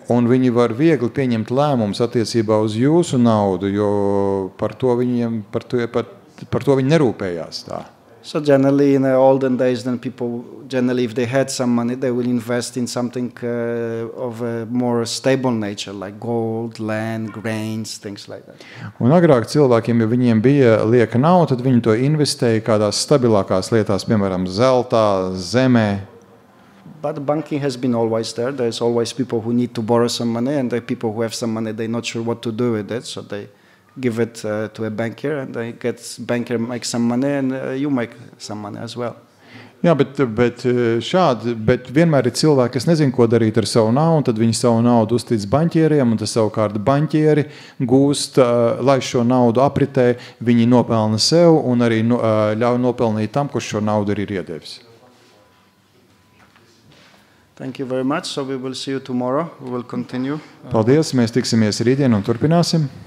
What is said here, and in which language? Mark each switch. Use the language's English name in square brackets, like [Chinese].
[Latvian] Un viņi var viegli pieņemt lēmumus attiecībā uz jūsu naudu, jo par to viņi nerūpējās tā. [English] So generally in the olden days, then people generally if they had some money, they will invest in something of a more stable nature, like gold, land, grains, things like that. [Latvian] Un agrāk cilvēkiem, ja viņiem bija lieka nauda, tad viņi to investēja kādās stabilākās lietās, piemēram, zeltā, zemē. [English] But banking has been always there. There's always people who need to borrow some money, and the people who have some money, they're not sure what to do with it, so they give it to a banker, and they get banker make some money, and you make some money as well. [Latvian] Jā, bet vienmēr ir cilvēki, kas nezin, ko darīt ar savu naudu, tad viņi savu naudu uztic baņķieriem, un tas savukārt baņķieri gūst, lai šo naudu apritē, viņi nopelna sev, un arī ļauj nopelnīt tam, kurš šo naudu ir iedevis. [English] Thank you very much, so we will see you tomorrow, we will continue. [Latvian] Paldies, mēs tiksimies rītdien un turpināsim.